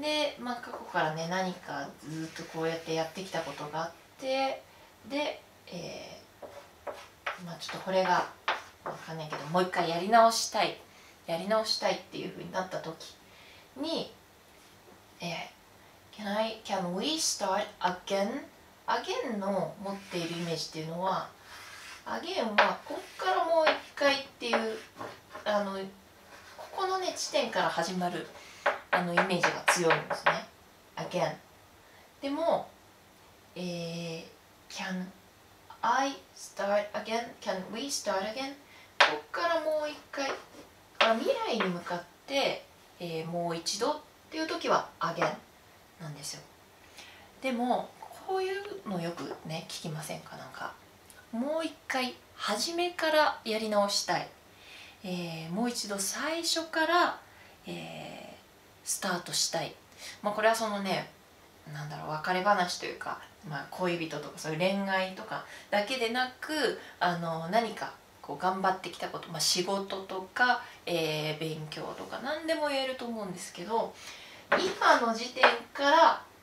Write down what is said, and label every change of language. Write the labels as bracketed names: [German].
[Japanese] で、まあ、過去からね、何かずっとこうやってやってきたことがあって、で、まあ、ちょっとこれがわかんないけど、もう一回やり直したいっていう風になった時に、 [English] Can we start again? [Japanese] アゲンの持っているイメージっていうのは、アゲンはこっからもう一回っていう、あのここのね地点から始まるあのイメージが強いんですね。アゲン。 [English] でも、Can I start again? Can we start again? [Japanese] こっからもう一回、あ、未来に向かって、もう一度っていう時は Again なんですよ。でもこういうのよくね聞きませんか、なんかもう一回初めからやり直したい、もう一度最初から、スタートしたい、まあ、これはそのね、なんだろう、別れ話というか、まあ、恋人とかそういう恋愛とかだけでなく、何かこう頑張ってきたこと、まあ、仕事とか、勉強とか何でも言えると思うんですけど、今の時点から、